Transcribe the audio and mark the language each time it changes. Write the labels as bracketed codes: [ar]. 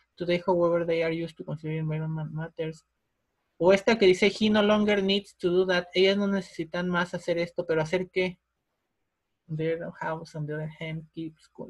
[en] Today, however, they are used to consider environment matters. [es] O esta que dice, [en] he no longer needs to do that. [es] Ellas no necesitan más hacer esto, pero ¿hacer qué? [en] Their house on the other hand keeps cool.